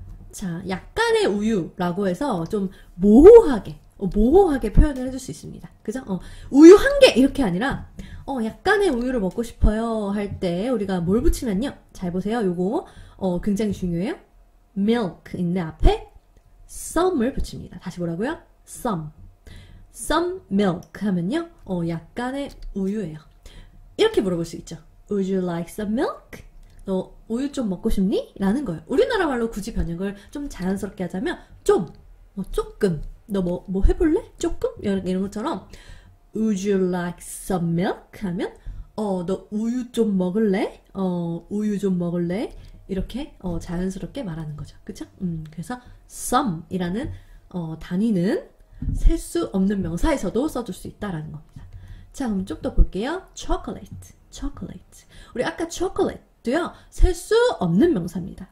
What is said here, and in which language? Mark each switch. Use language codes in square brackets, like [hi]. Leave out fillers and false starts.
[ko] 자, 약간의 우유라고 해서 좀 모호하게, 모호하게 표현을 해줄 수 있습니다. 그죠? 우유 한 개! 이렇게 아니라, 약간의 우유를 먹고 싶어요. 할 때 우리가 뭘 붙이면요? 잘 보세요. 요거, 굉장히 중요해요. milk인데 앞에 some을 붙입니다. 다시 뭐라고요? some. [en] some milk 하면요. [ko] 약간의 우유예요. 이렇게 물어볼 수 있죠. [en] Would you like some milk? [ko] 너 우유 좀 먹고 싶니? 라는 거예요. 우리나라 말로 굳이 번역을 좀 자연스럽게 하자면 좀, 조금, 너 뭐 해볼래? 조금? [en] 이런 것처럼 Would you like some milk? [ko] 하면 너 우유 좀 먹을래? 우유 좀 먹을래? 이렇게 자연스럽게 말하는 거죠. 그쵸? 그래서 some이라는 단위는 셀 수 없는 명사에서도 써줄 수 있다라는 겁니다. 자, 그럼 좀 더 볼게요. chocolate. chocolate. 우리 아까 chocolate도요, 셀 수 없는 명사입니다.